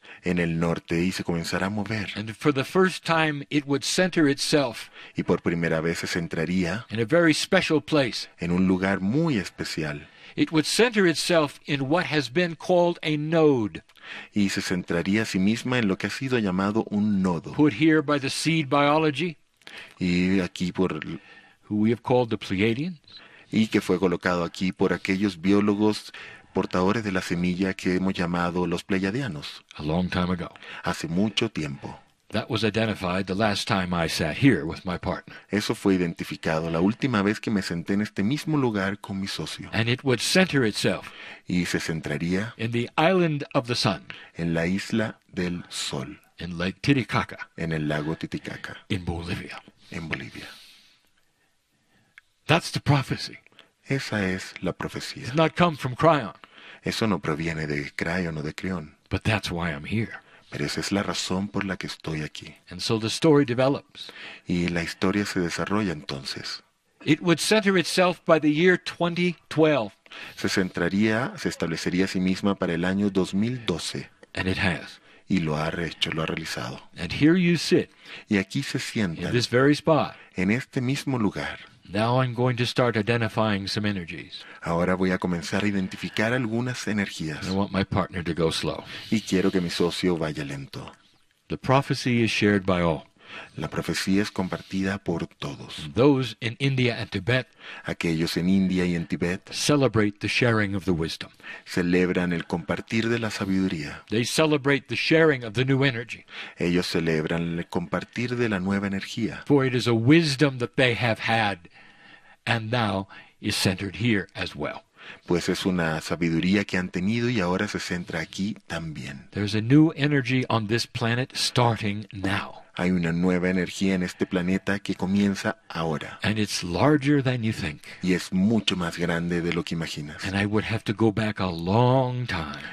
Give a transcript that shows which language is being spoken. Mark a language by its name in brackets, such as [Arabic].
[Spanish] En el norte y se comenzará a mover. [English] And for the first time it would center itself. [Spanish] Y por primera vez se centraría. [English] In a very special place. [Spanish] En un lugar muy especial. [English] It would center itself in what has been called a node. [Spanish] Y se centraría a sí misma en lo que ha sido llamado un nodo. [English] Put here by the seed biology. [Spanish] Y aquí por, [English] who we have called the Pleiadians, [Spanish] y que fue colocado aquí por aquellos biólogos portadores de la semilla que hemos llamado los Pleiadianos, [English] a long time ago, [Spanish] hace mucho tiempo. [English] That was identified the last time I sat here with my partner. [Spanish] Eso fue identificado la última vez que me senté en este mismo lugar con mi socio. [English] And it would center itself, [Spanish] y se centraría, [English] in the island of the sun, [Spanish] en la isla del sol. [English] In Lake Titicaca. [Spanish] En el lago Titicaca. [English] In Bolivia. [Spanish] En Bolivia. [English] That's the prophecy. [Spanish] Esa es la profecía. [English] It's not come from Kryon. [Spanish] Eso no proviene de Kryon o de Kryon. [English] But that's why I'm here. [Spanish] Pero esa es la razón por la que estoy aquí. [English] And so the story develops. [Spanish] Y la historia se desarrolla entonces. [English] It would center itself by the year 2012. [Spanish] Se centraría, se establecería a sí misma para el año 2012. [English] And it has. [Spanish] Y lo ha hecho, lo ha realizado. [English] And here you sit, [Spanish] y aquí se sientan, [English] in this very spot, [Spanish] en este mismo lugar. [English] Now I'm going to start identifying some energies. [Spanish] Ahora voy a comenzar a identificar algunas energías. [English] I want my partner to go slow. [Spanish] Y quiero que mi socio vaya lento. [English] The prophecy is shared by all. [Spanish] La profecía es compartida por todos. [English] Those in India and Tibet, [Spanish] aquellos en India y en Tibet, [English] celebrate the sharing of the wisdom. [Spanish] Celebran el compartir de la sabiduría. [English] They celebrate the sharing of the new energy. [Spanish] Ellos celebran el compartir de la nueva energía. [English] For it is a wisdom that they have had and now is centered here as well. [Spanish] Pues es una sabiduría que han tenido y ahora se centra aquí también. [English] There's a new energy on this planet starting now. [Spanish] Hay una nueva energía en este planeta que comienza ahora. [English] And it's larger than you think. [Spanish] Y es mucho más grande de lo que imaginas. [English] And I would have to go back a long time.